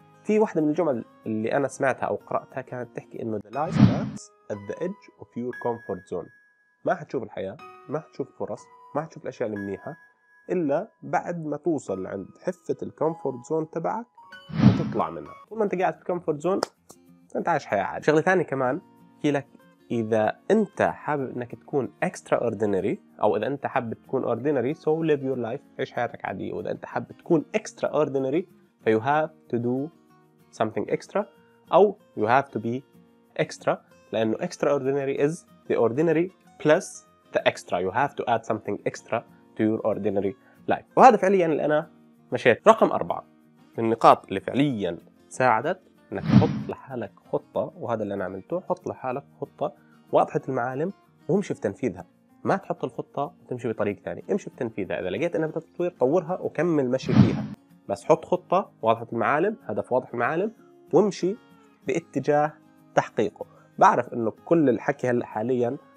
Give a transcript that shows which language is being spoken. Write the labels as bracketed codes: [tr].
[ar] في واحدة من الجمل اللي انا سمعتها او قراتها كانت تحكي انه [en] the life starts at the edge of your comfort zone، [ar] ما حتشوف الحياه، ما حتشوف فرص، ما حتشوف الاشياء المنيحه إلا بعد ما توصل عند حفة الكومفورت زون تبعك وتطلع منها. طول ما أنت قاعد في الكومفورت زون أنت عايش حياة عادية. شغلة ثانية كمان هي لك، إذا أنت حابب أنك تكون extra ordinary أو إذا أنت حابب تكون ordinary [en] so live your life، [ar] عيش حياتك عادية، وإذا أنت حابب تكون extra ordinary [en] you have to do something extra [ar] أو [en] you have to be extra، [ar] لأنه [en] extra ordinary is the ordinary plus the extra، you have to add something extra to your ordinary life. [ar] وهذا فعليا اللي انا مشيت. رقم 4 من النقاط اللي فعليا ساعدت انك تحط لحالك خطة، وهذا اللي انا عملته، حط لحالك خطة واضحة المعالم وامشي في تنفيذها، ما تحط الخطة وتمشي بطريق ثاني، امشي في تنفيذها، اذا لقيت انها بتطوير طورها وكمل مشي فيها، بس حط خطة واضحة المعالم، هدف واضح المعالم، وامشي باتجاه تحقيقه. بعرف انه كل الحكي هلا حاليا